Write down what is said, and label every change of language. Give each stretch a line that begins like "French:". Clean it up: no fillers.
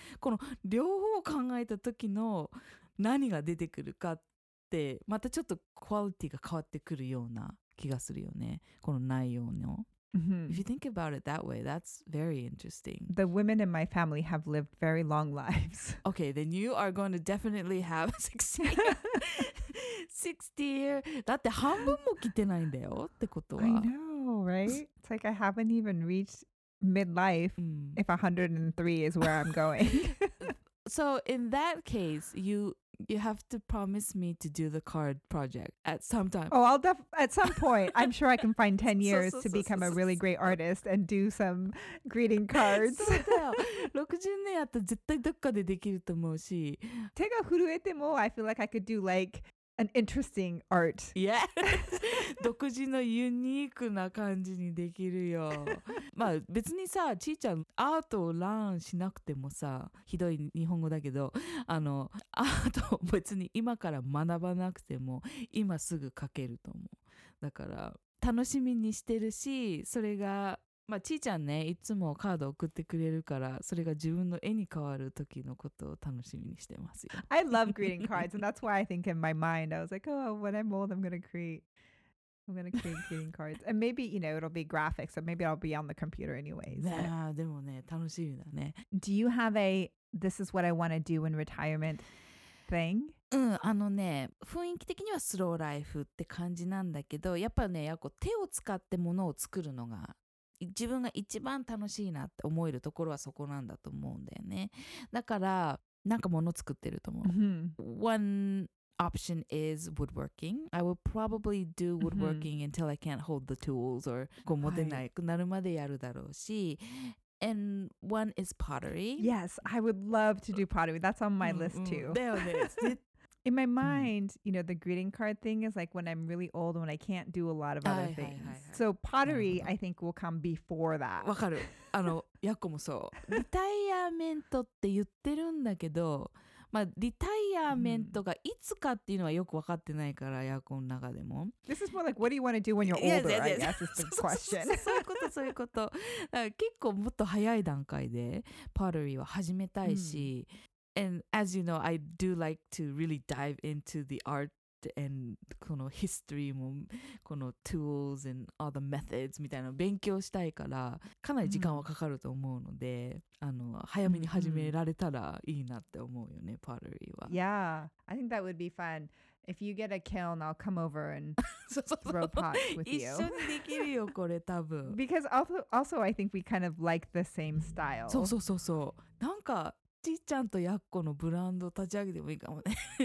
Japanese: この両方考えた時の何が出てくるかって、またちょっとクオリティが変わってくるような。気がするよね、この内容の。
English: If you think about it that way, that's very interesting. The women in my family have lived very long lives. Okay, then you are going to definitely have 60.
Japanese: 60 year だって半分も来てないんだよってことは
English: I know, right? It's like I haven't even reached midlife if 103 is where I'm going So in that case, you have to promise me to do the card project at some time. Oh, at some point, I'm sure I can find 10 years so, to become a really great artist and do some greeting cards.
Japanese: そうだよ。60年やったら絶対どっかでできると思うし。手が震えても、
English: I feel like I could do like an interesting art. Yeah.
Japanese: 独自のユニークな感じにできるよ。まあ別にさ、ちーちゃんアートをランしなくてもさ、ひどい日本語だけど、あのアートを別に今から学ばなくても今すぐ描けると思う。だから楽しみにしてるし、それがまあちーちゃんね、いつもカード送ってくれるから、それが自分の絵に変わる時のことを楽しみにしてますよ。
English: I love greeting cards and that's why I think in my mind I was like, oh, when I'm old I'm gonna create. I'm going to create greeting cards. And maybe, you know, it'll be graphics. So maybe I'll be on the computer anyways.
Japanese: Yeah, でもね、楽しみだね。
English: Do you have a this is what I want to do in retirement thing?
Japanese: うん、あのね、雰囲気的にはスローライフって感じなんだけど、やっぱね、やっぱ手を使って物を作るのが自分が一番楽しいなって思えるところはそこなんだと思うんだよね。だから、なんか物作ってると思う。
English: One... option is woodworking. I will probably do woodworking until I can't hold the tools or
Japanese: こう持てないくなるまでやるだろうし、
English: and one is pottery. Yes, I would love to do pottery. That's on my list too. In my mind, you know, the greeting card thing is like when I'm really old, when I can't do a lot of other things. So pottery, I think, will come before that.
Japanese: わかる。あの、ヤコもそう。リタイアメントって言ってるんだけど、まあ、リタイアメントがいつかっていうのはよく分かってないから、エアコンの中でも。
English: This is more like, what do you want to do when you're older? Yes, yes, yes. I guess is the question.
Japanese: そういうこと、そういうこと。結構もっと早い段階で、パーティーは始めたいし。
English: And as you know, I do like to really dive into the art and
Japanese: この history も、この
English: tools and all the methods
Japanese: みたいなの勉強したいから、かなり時間はかかると思うので、あの早めに始められたらいいなって思うよね、パーティーは。
English: Yeah, I think that would be fun. If you get a kiln, I'll come over and throw pots with you.
Japanese: 一緒にできるよ、これ多分。
English: Because also, I think we kind of like the same style.
Japanese: そうそうそうそう。なんか、ちーちゃんとやっこのブランド立ち上げてもいいかもね。